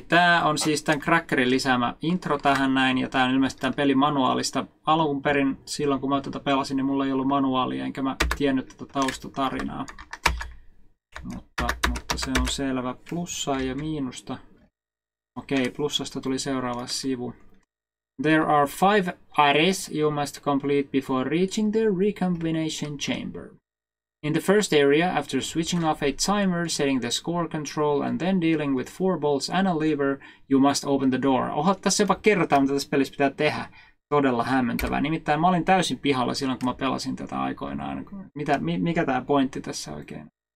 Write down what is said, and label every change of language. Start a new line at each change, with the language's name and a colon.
Finnish: Tää on siis tän Crackerin lisäämä intro tähän näin, ja tää on ilmeisesti tän pelin manuaalista. Alun perin silloin kun mä tätä pelasin, niin mulla ei ollut manuaalia, enkä mä tiennyt tätä taustatarinaa. Mutta se on selvä. Plussaa ja miinusta. Okei, plussasta tuli seuraava sivu.
English: There are 5 areas you must complete before reaching the recombination chamber. In the first area, after switching off a timer, setting the score control, and then dealing with 4 bolts and a lever, you must open the door.
Finnish: Oho, tässä jopa kertaa, mitä tässä pelissä pitää tehdä. Todella hämmentävää. Nimittäin mä olin täysin pihalla silloin, kun mä pelasin tätä aikoinaan. Mikä tää pointti tässä oikein?